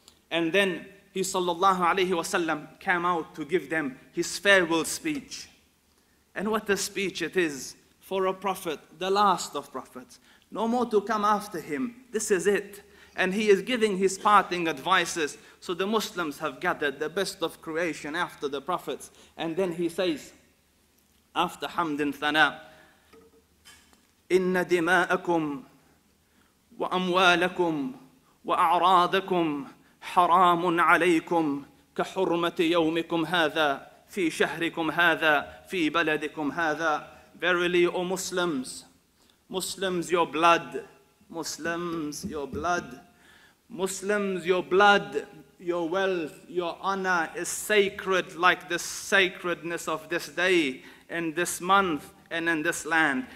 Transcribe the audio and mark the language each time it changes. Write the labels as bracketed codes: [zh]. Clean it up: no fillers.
[en] And then he sallallahu alayhi wa sallam came out to give them his farewell speech. And what a speech it is for a prophet, the last of prophets. No more to come after him. This is it. And he is giving his parting advices. So the Muslims have gathered the best of creation after the prophets. [ar] And then he says, [en] after Hamd and Thana, [ar] إِنَّ دِمَاءَكُمْ وَأَمْوَالَكُمْ وَأَعْرَاضَكُمْ حَرَامٌ عَلَيْكُمْ كَحُرْمَةِ يَوْمِكُمْ هَذَا فِي شَهْرِكُمْ هَذَا فِي بَلَدِكُمْ هَذَا. [en] Verily, O Muslims, Muslims, your blood, Muslims, your blood, Muslims, your blood, your wealth, your honor is sacred like the sacredness of this day, in this month, and in this land.